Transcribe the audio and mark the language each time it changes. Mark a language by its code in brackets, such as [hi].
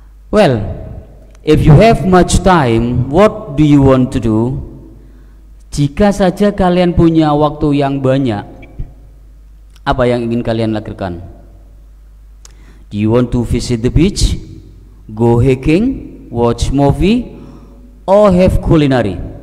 [en] Well, if you have much time, what do you want to do? [id] Jika saja kalian punya waktu yang banyak, apa yang ingin kalian lakukan? [en] Do you want to visit the beach, go hiking, watch movie, or have culinary?